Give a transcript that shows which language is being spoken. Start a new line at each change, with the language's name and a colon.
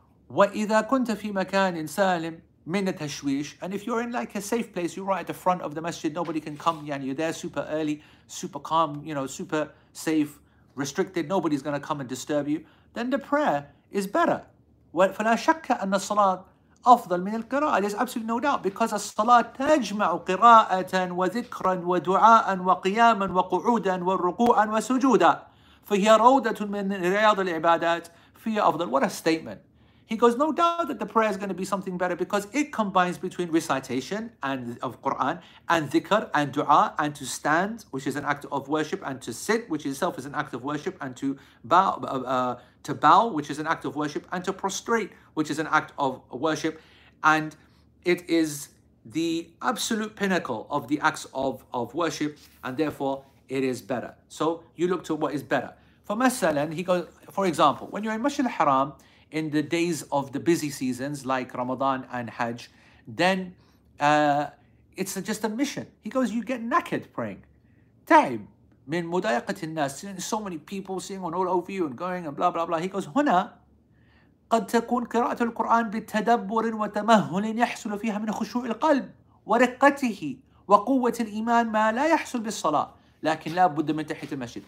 Arabic: وَإِذَا كُنْتَ فِي مَكَانٍ سَالِمٍ مِنَ التَّشْوِيشِ,
English: and if you're in like a safe place, you're right at the front of the masjid, nobody can come, yeah, and you're there super early, super calm, you know, super safe. Restricted, nobody's going to come and disturb you, then the prayer is better.
Arabic: فَلَا شَكَّ أَنَّ الصَّلَاةِ أَفْضَلْ مِنَ الْقِرَاءَةِ.
English: There's absolutely no doubt, because a salat
Arabic: تَجْمَعُ قِرَاءَةً وَذِكْرًا وَدُعَاءً وَقِيَامًا وَقُعُودًا وَالرُّقُوعًا وَسُجُودًا فَهِيَ رَوْضَةٌ مِنْ رِيَاضِ الْعِبَادَاتِ فِيَ أَفْضَلْ.
English: What a statement. He goes, no doubt that the prayer is going to be something better because it combines between recitation and of Quran and dhikr and dua and to stand, which is an act of worship, and to sit, which itself is an act of worship, and to bow, which is an act of worship, and to prostrate, which is an act of worship. And it is the absolute pinnacle of the acts of worship, and therefore it is better. So you look to what is better. For example, when you're in Masjid al-Haram, in the days of the busy seasons like Ramadan and Hajj, then it's just a mission. He goes, you get knackered praying.
Arabic: Taib min mudayaqati an-nas,
English: so many people seeing on all over you and going and blah blah blah. He goes,
Arabic: huna قد تكون قراءة القرآن بتدبر وتمهل يحصل فيها من خشوع القلب ورقته وقوة الإيمان ما لا يحصل بالصلاة لكن لا بد من تحية المسجد.